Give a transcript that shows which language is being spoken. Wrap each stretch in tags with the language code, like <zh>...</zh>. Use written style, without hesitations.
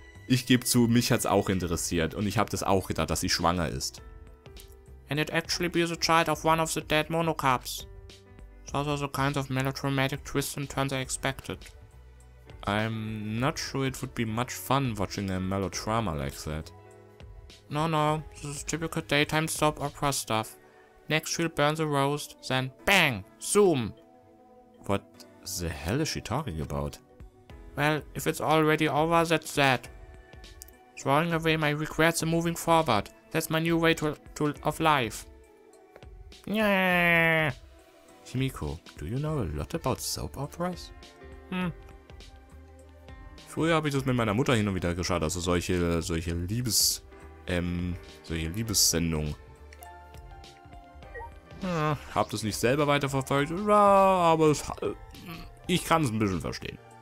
<de>ich gebe zu, mich hat's auch interessiert und ich habe das auch gedacht, dass sie schwanger ist.</de> <en>And it actually be the child of one of the dead monocarps. It's also the kind of melodramatic twists and turns I expected. I'm not sure it would be much fun watching a melodrama like that. No, no, this is typical daytime soap opera stuff. Next she'll burn the roast, then bang, zoom. What the hell is she talking about? Well, if it's already over, that's that. Throwing away my regrets and moving forward. That's my new way of life. Himiko, do you know a lot about soap operas?</en> <de>Früher habe ich das mit meiner Mutter hin und wieder geschaut, also solche Liebes... solche Liebessendungen. Hab das nicht selber weiterverfolgt, aber ich kann es ein bisschen verstehen.</de>